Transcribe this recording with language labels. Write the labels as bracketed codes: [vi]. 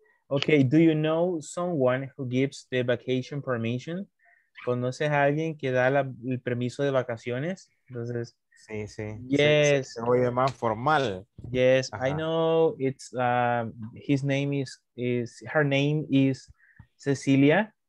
[en] Okay, do you know someone who gives the vacation permission? [es] ¿Conoces a alguien que da el permiso de vacaciones? Entonces, sí. [en] Yes. [es] Se oye más formal. [en] Yes, ajá. I know it's his name is her name is Cecilia.